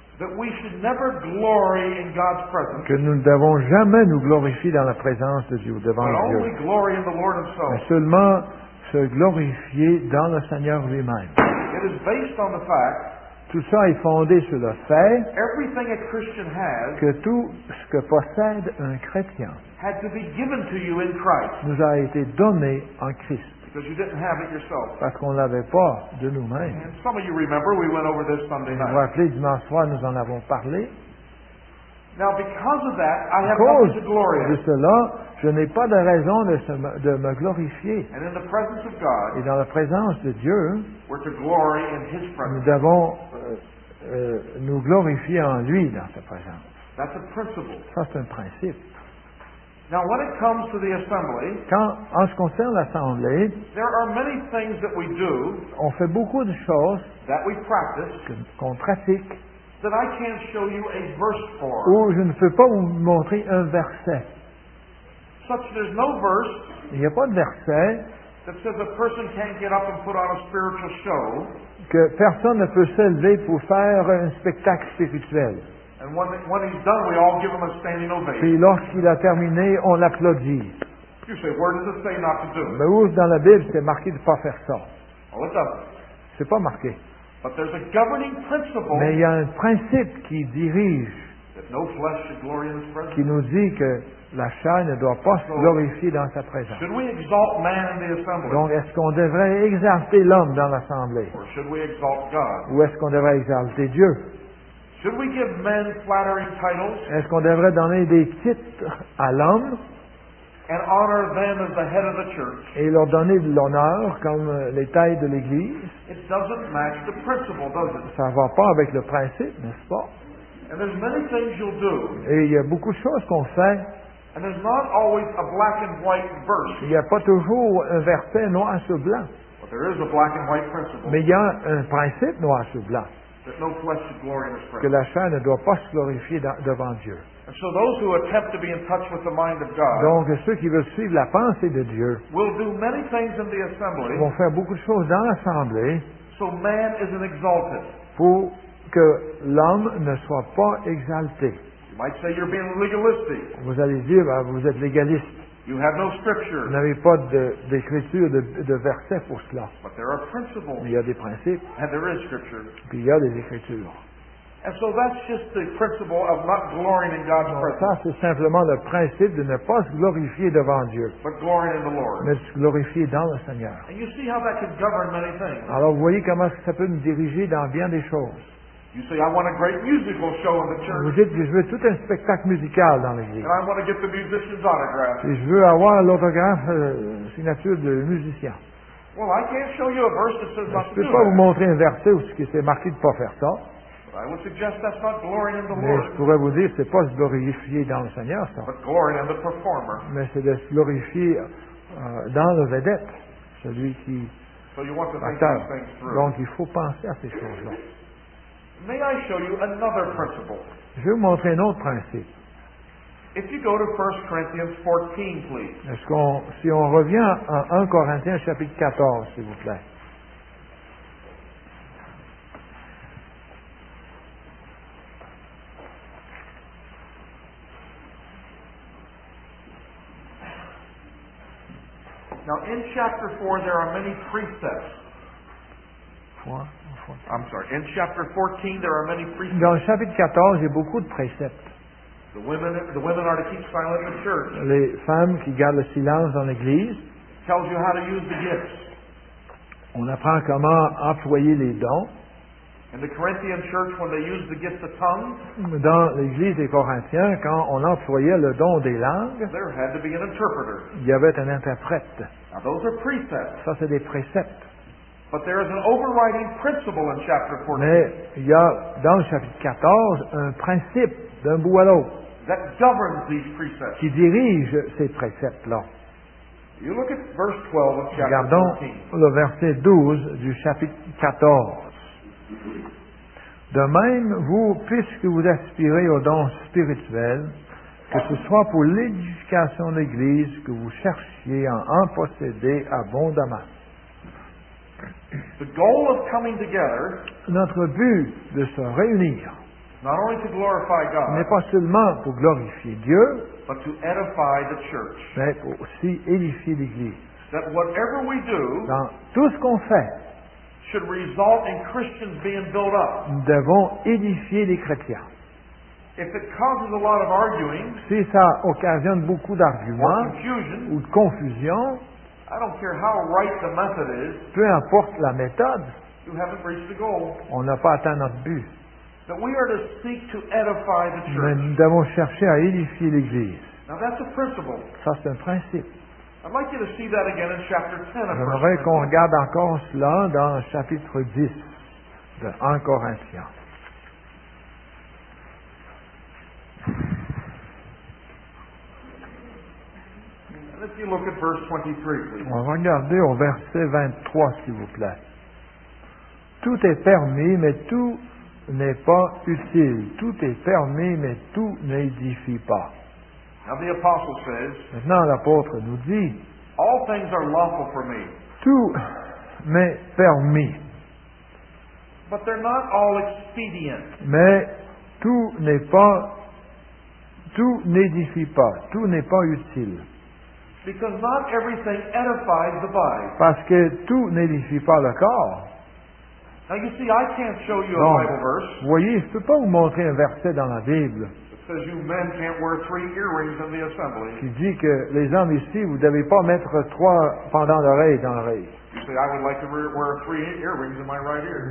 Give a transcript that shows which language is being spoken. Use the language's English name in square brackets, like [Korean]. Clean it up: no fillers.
[English] That we should never glory in God's presence. [French] Que nous ne devons jamais nous glorifier dans la présence de Dieu, devant [English] But [French] Dieu. [English] Only glory in the Lord himself. [French] Mais seulement se glorifier dans le Seigneur lui-même. [English] It is based on the fact [French] tout ça est fondé sur le fait [English] everything a Christian has [French] que tout ce que possède un chrétien [English] had to be given to you in Christ. [French] Nous a été donné en Christ. [English] Because you didn't have it yourself. [French] Parce qu'on ne l'avait pas de nous-mêmes. [English] And some of you remember we went over this Sunday night. [French] Vous vous rappelez, dimanche soir, nous en avons parlé. [English] Now, because of that, I have nothing to glory in. [French] De cela, je n'ai pas de raison de me glorifier. [English] And in the presence of God, [French] et dans la présence de Dieu, [English] we're to glory in His presence. [French] Nous devons nous glorifier en Lui dans sa présence. [English] That's a principle. [French] Ça, c'est un principe. [English] Now, when it comes to the assembly, [French] quand, en ce qui concerne l'assemblée, [English] there are many things that we do, [French] on fait beaucoup de choses [English] that we practice, [French] qu'on pratique, [English] that I can't show you a verse for. [French] Où je ne peux pas vous montrer un verset. [English] Such there's no verse, [French] il n'y a pas de verset [English] that says a person can't get up and put on a spiritual show, [French] que personne ne peut s'élever pour faire un spectacle spirituel. [English] And when he's done, we all give him a standing ovation. [French] Puis lorsqu'il a terminé, on l'applaudit. [English] You say, where does it say not to do? [French] Mais où dans la Bible c'est marqué de ne pas faire ça? [English] Well, it doesn't. [French] C'est pas marqué. [English] But there's a governing principle. [French] Mais il y a un principe qui dirige. [English] That no flesh should glory in his presence. [French] Qui nous dit que la chair ne doit pas se glorifier dans sa présence. [English] Should we exalt man in the assembly? [French] Donc est-ce qu'on devrait exalter l'homme dans l'assemblée? [English] Or should we exalt God? [French] Ou est-ce qu'on devrait exalter Dieu? [English] Should we give men flattering titles? [French] Est-ce qu'on devrait donner des titres à l'homme? [English] And honor them as the head of the church? [French] Et leur donner de l'honneur comme les têtes de l'Église? [English] It doesn't match the principle, does it? [French] Ça ne va pas avec le principe, n'est-ce pas? [English] And there's many things you'll do. [French] Et il y a beaucoup de choses qu'on fait [English] And there's not always a black and white verse. [French] Il n'y a pas toujours un verset noir sur blanc. [English] But there is a black and white principle. [French] Mais il y a un principe noir sur blanc. [English] That no flesh should glory in His presence. [French] Que la chair ne doit pas se glorifier devant Dieu. [English] And so those who attempt to be in touch with the mind of God, [French] donc ceux qui veulent suivre la pensée de Dieu, [English] will do many things in the assembly, [French] vont faire beaucoup de choses dans l'assemblée, [English] so man isn't exalted, [French] pour que l'homme ne soit pas exalté. [English] You might say you're being legalistic. [French] Vous allez dire, ah, vous êtes légaliste. [English] You have no scripture. [French] Vous n'avez pas d'écriture, de verset pour cela. [English] But there are principles. [French] Mais il y a des principes. [English] And there is scripture. [French] Puis il y a des écritures. [English] And so that's just the principle of not glorying in God's presence. [French] Ça, c'est simplement le principe de ne pas se glorifier devant Dieu. [English] But glorying in the Lord. [French] Mais se glorifier dans le Seigneur. [English] And you see how that can govern many things. [French] Alors, vous voyez comment ça peut me diriger dans bien des choses. [English] You say, I want a great musical show in the church. [French] Vous dites que je veux tout un spectacle musical dans l'église. [English] And I want to get the musician's autograph. [French] Et je veux avoir l'autographe, signature du musicien. [English] Well, I can't show you a verse that says not to do that. [French] Je ne peux pas vous montrer un verset où c'est marqué de ne pas faire ça. [English] I would suggest that's not glorying in the [French] Mais [English] Lord. [French] Je pourrais vous dire, c'est pas se glorifier dans le Seigneur, ça. [English] But glory in the performer. [French] Mais c'est de se glorifier dans le vedette, celui qui. [English] So you want to think these things through. [French] Donc il faut penser à ces choses-là. [English] May I show you another principle? [French] Je vais vous montrer un autre principe. [English] If you go to 1 Corinthians 14, please. [French] Est-ce qu'on, si on revient à 1 Corinthiens chapitre 14, s'il vous plaît. [English] Now, in chapter 4, there are many precepts. I'm sorry. In chapter 14, there are many precepts. [French] Dans le chapitre 14, il y a beaucoup de préceptes. [English] The women are to keep silent in the church. [French] Les femmes qui gardent le silence dans l'église. [English] Tells you how to use the gifts. [French] On apprend comment employer les dons. [English] In the Corinthian church, when they used the gift of tongues. [French] Dans l'église des Corinthiens, quand on employait le don des langues, [English] there had to be an interpreter. [French] Il y avait un interprète. [English] Now those are precepts. [French] Ça, c'est des préceptes. [English] But there is an overriding principle in chapter 14. [French] Mais il y a dans le chapitre 14 un principe d'un bout à l'autre. [English] That governs these precepts. [French] Qui dirige ces préceptes-là. [English] You look at verse 12 of chapter [French] Regardons le verset 12 du chapitre 14. De même, vous, puisque vous aspirez aux dons spirituels, que ce soit pour l'édification de l'Église que vous cherchiez à en posséder abondamment. [English] The goal of coming together, [French] notre but de se réunir [English] not only to glorify God, [French] n'est pas seulement pour glorifier Dieu, [English] but to edify the church. [French] Mais pour aussi édifier l'Église. [English] That whatever we do, [French] dans tout ce qu'on fait, [English] should result in Christians being built up. [French] Nous devons édifier les chrétiens. [English] If it causes a lot of arguing, [French] si ça occasionne beaucoup d'arguments ou de confusion, [English] I don't care how right the method is, [French] peu importe la méthode, [English] you haven't reached the goal. [French] On n'a pas atteint notre but. [English] But we are to seek to edify the church. [French] Mais nous devons chercher à édifier l'Église. [English] Now that's a principle. [French] Ça, c'est un principe. [English] I'd like you to see that again in chapter 10 of [French] J'aimerais qu'on regarde encore cela dans le chapitre 10 de 1 Corinthiens. [English] Let's look at verse 23, please. [French] On va regarder au verset 23, s'il vous plaît. Tout est permis, mais tout n'est pas utile. Tout est permis, mais tout n'édifie pas. [English] Now the apostle says, [French] maintenant l'apôtre nous dit, [English] all things are lawful for me. [French] Tout m'est permis. [English] But they're not all expedient. [French] Mais tout n'est pas, tout n'édifie pas, tout n'est pas utile. [English] Because not everything edifies the body. [French] Parce que tout n'édifie pas le corps. [English] Now you see, I can't show you [French] donc, [English] a Bible verse. [French] Vous voyez, je ne peux pas vous montrer un verset dans la Bible. [English] Says you men can't wear three earrings in the assembly. [French] Qui dit que les hommes ici, vous ne devez pas mettre trois pendants d'oreilles dans l'oreille. [English] You say, I would like to wear three earrings in my right ear.